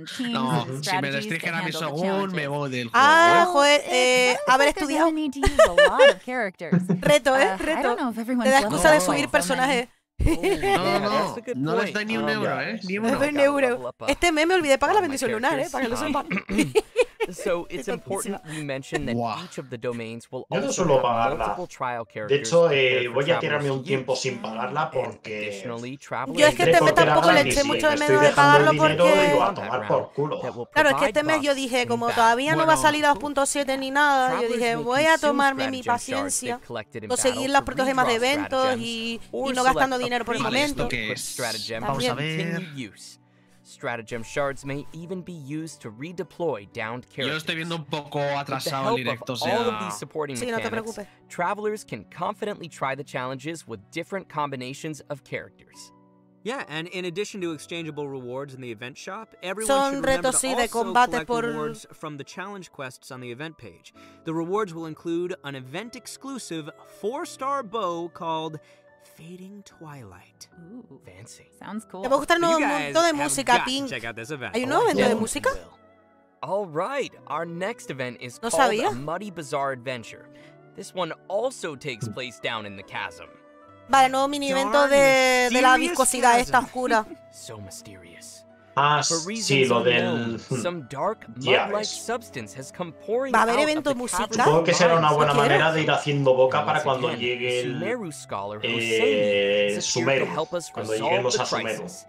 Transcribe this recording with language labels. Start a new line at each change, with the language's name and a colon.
Spanish: no, si me restringen a mi Shogun, me voy del juego. ¡Ah, joder! Haber estudiado. Reto, ¿eh? Reto. Te da excusa de subir personajes. No, no, no les doy ni un euro, ¿eh? Ni un euro. Este mes me olvidé pagar la bendición lunar, ¿eh? Para que lo sepan.
English: So it's important we mention that each of the domains will
Spanish: yo
English: also
Spanish: no suelo pagarla.
English: Multiple trial characters.
Spanish: De hecho, voy a tirarme un tiempo sin pagarla porque yo es que este mes tampoco le eché mucho de menos de pagarlo porque tomar por culo. Claro, es que este mes yo dije como todavía no va a salir a 2.7 ni nada, yo dije voy a tomarme mi paciencia, conseguir las propias gemas de eventos y no gastando dinero por el momento. Vamos a ver.
English: Stratagem shards may even be used to redeploy downed characters.
Spanish: Yo estoy viendo un poco atrasado el directo, o sea. Sí, no te preocupes.
English: Travelers can confidently try the challenges with different combinations of characters. Yeah, and in addition to exchangeable rewards in the event shop, everyone
Spanish: son
English: should remember
Spanish: retos,
English: to also collect rewards from the challenge quests on the event page. The rewards will include an event exclusive 4-star bow called Fading Twilight. Ooh, fancy. Sounds cool.
Spanish: Me va a gustar un nuevo evento de música, Pink. ¿Hay un nuevo evento de música?
English: All right, our next event is called a Muddy Bazaar Adventure. This one also takes place down in the chasm.
Spanish: Vale, nuevo mini evento de la viscosidad esta oscura.
English: So mysterious.
Spanish: Sí, lo del
English: some dark mud-like substance has come pouring.
Spanish: Va a haber evento musical. Supongo que será una buena manera de ir haciendo boca para cuando llegue el Sumeru scholar Sumeru, cuando lleguemos a Sumeru.